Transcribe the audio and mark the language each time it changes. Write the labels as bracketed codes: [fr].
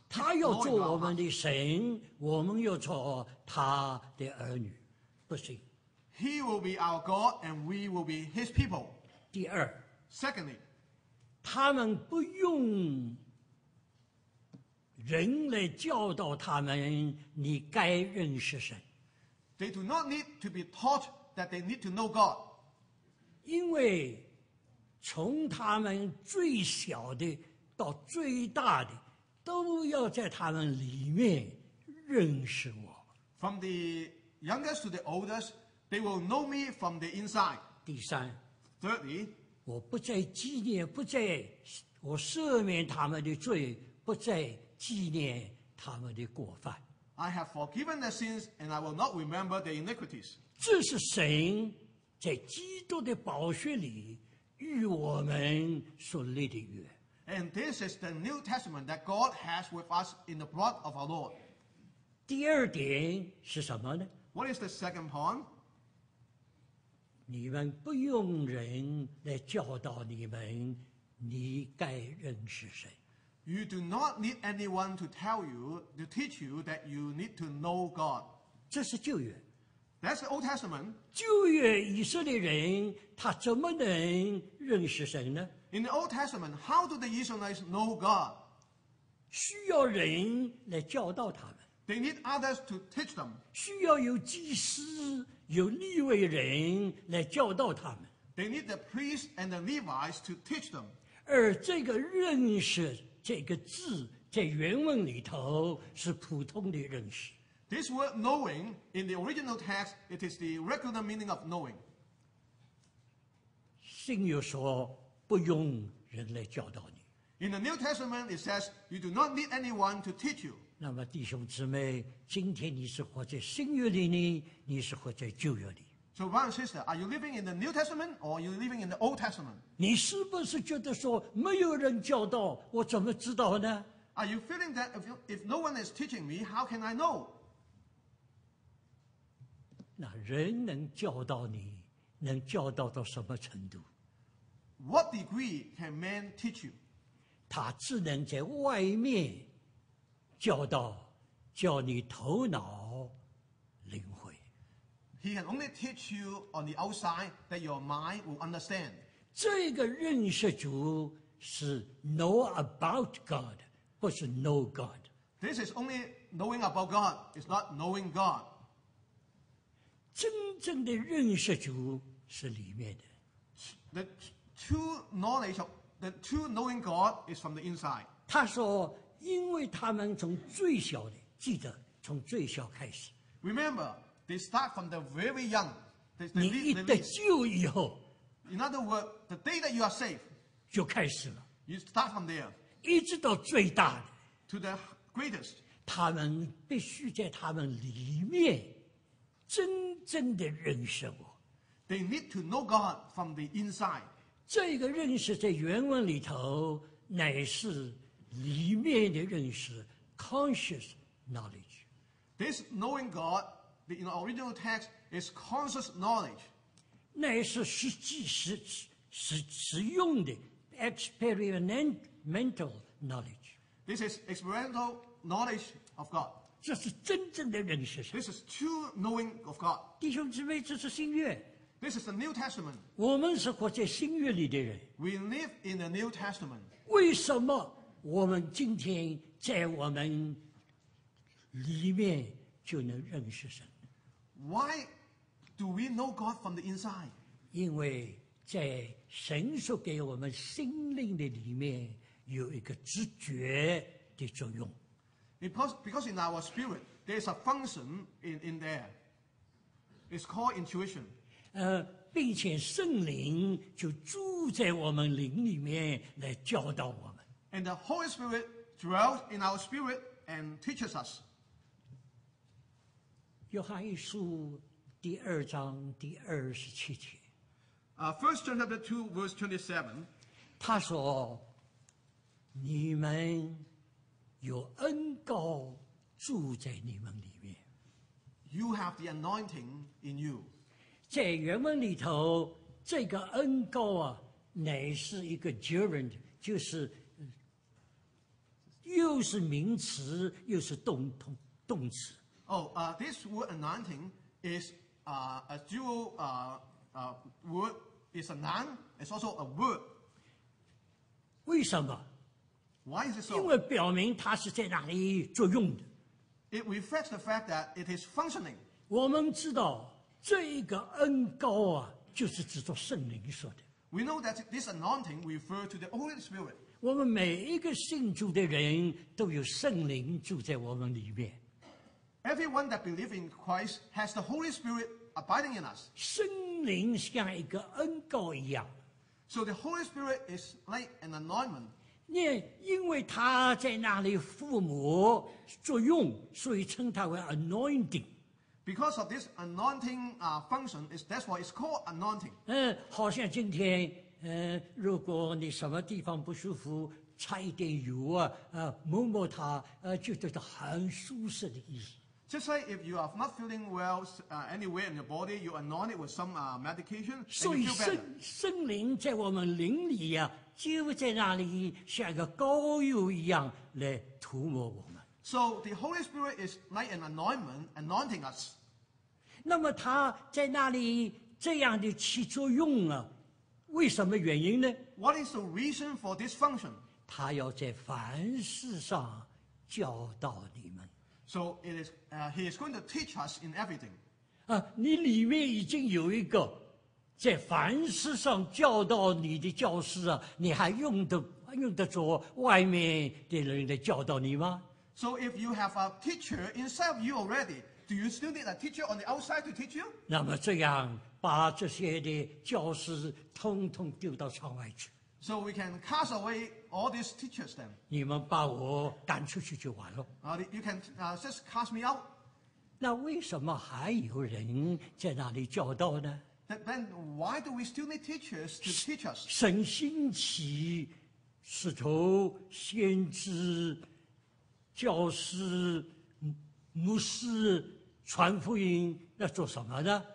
[zh] 他要做我们的神，我们要做他的儿女，不行。 [en] He will be our God, and we will be his people. [zh] 第二。 [en] Secondly, [zh] 他们不用人来教导他们，你该认识神。 [en] They do not need to be taught that they need to know God. [zh] 因为从他们最小的到最大的，都要在他们里面认识我。 [en] From the youngest to the oldest, they will know me from the inside. [zh] 第三。 [en] Thirdly. [zh] 我不再纪念，不再我赦免他们的罪，不再纪念他们的过犯。 [en] I have forgiven their sins, and I will not remember their iniquities. [zh] 这是神在基督的宝血里与我们所立的约。 [en] And this is the New Testament that God has with us in the blood of our Lord. [zh] 第二点是什么呢 [en] ？What is the second point? [zh] 你们不用人来教导你们，你该认识谁。 [en] You do not need anyone to tell you, to teach you that you need to know God. [zh] 这是旧约。 [en] That's the Old Testament. [zh] 旧约以色列人他怎么能认识神呢 [en] ？In the Old Testament, how do the Israelites know God? [zh] 需要人来教导他们。 [en] They need others to teach them. [zh] 需要有祭司。有利未人来教导他们。 [en] They need the priests and the Levites to teach them. [zh] 而这个认识这个字在原文里头是普通的认识。 [en] This word knowing in the original text, it is the regular meaning of knowing. [zh] 新约说不用人来教导你。 [en] In the New Testament, it says you do not need anyone to teach you. [zh] 那么弟兄姊妹今天你是活在新约里呢你是活在旧约里 [en] So brother and sister Are you living in the New Testament Or are you living in the Old Testament [zh] 你是不是觉得说没有人教导我怎么知道呢 [en] Are you feeling that if no one is teaching me How can I know [zh] 那人能教导你能教导到什么程度 [en] What degree can man teach you [zh] 他只能在外面教导叫你头脑灵魂 [en] He can only teach you on the outside that your mind will understand. [zh] 这个认识主是 [en] know about God, [zh] 不是 [en] know God. This is only knowing about God, it's not knowing God. [zh] 真正的认识主是里面的。 [en] The true knowing God is from the inside. [zh] 他说因为他们从最小的，记得从最小开始。 [en] Remember, they start from the very young. [zh] 你一得救以后 [en] ，In other words, the day that you are saved, [zh] 就开始了。 [en] You start from there. [zh] 一直到最大的 [en] ，To the greatest. [zh] 他们必须在他们里面真正的认识我。 [en] They need to know God from the inside. [zh] 这个认识在原文里头乃是。里面的认识 [en] conscious knowledge. This knowing God in the original text is conscious knowledge. [zh] 那是实际 实用的 [en] experimental knowledge. This is experimental knowledge of God. [zh] 这是真正的认识。 [en] This is true knowing of God. [zh] 弟兄姊妹，这是新约。 [en] This is the New Testament. [zh] 我们是活在新约里的人。 [en] We live in the New Testament. [zh] 为什么？我们今天在我们里面就能认识神。 [en] Why Do we know God from the inside? [zh] 因为在神所给我们心灵的里面有一个直觉的作用。 [en] Because in our spirit, there's a function in there. It's called intuition. [zh] 并且圣灵就住在我们灵里面来教导我们。 [en] And the Holy Spirit dwells in our spirit and teaches us. [zh] 约翰一书第二章第二十七节。 [en] First John chapter 2, verse 27. [zh] 他说你们有恩膏住在你们里面。 [en] You have the anointing in you. [zh] 在原文里头这个恩膏啊乃是一个 gerund, 就是又是名词又是 动词。 [en] This word anointing is a dual word. It's a noun. It's also a word. [zh] 为什么？ [en] Why is it so? [zh] 因为表明它是在哪里作用的。 [en] It reflects the fact that it is functioning. [zh] 我们知道这个恩膏啊，就是指着圣灵说的。 [en] We know that this anointing refers to the Holy Spirit. [zh] 我们每一个信主的人都有圣灵住在我们里面。 [en] Everyone that believes in Christ has the Holy Spirit abiding in us. [zh] 圣灵像一个恩膏一样。 [en] So the Holy Spirit is like an anointment. [zh] 因为他在那里附魔作用，所以称他为 anointing。 [en] Because of this anointing function, that's why it's called anointing。 [zh] 好像今天，如果你什么地方不舒服，擦一点油啊，摸摸它，就觉得很舒适的意思。 [en] Just say if you are not feeling well anywhere in your body, you anoint it with some medication, and you feel better. [zh] 所以圣灵在我们灵里呀、啊。就在那里像个膏油一样来涂抹我们。 [en] So the Holy Spirit is like an anointment, anointing us. [zh] 那么他在那里这样的起作用啊，为什么原因呢？ [en] What is the reason for this function? [zh] 他要在凡事上教导你们。 [en] So it is, he is going to teach us in everything. [zh] 你里面已经有一个在凡事上教导你的教师啊，你还用得着外面的人来教导你吗 [en] ？So if you have a teacher inside of you already, do you still need a teacher on the outside to teach you？ [zh] 那么这样把这些的教师通通丢到窗外去。 [en] So we can cast away all these teachers then。 [zh] 你们把我赶出去就完了。 [en] You can just cast me out。 [zh] 那为什么还有人在那里教导呢？ [en] Then why do we still need teachers to teach us? [zh] 神兴起使徒先知教师牧师传福音要做什么呢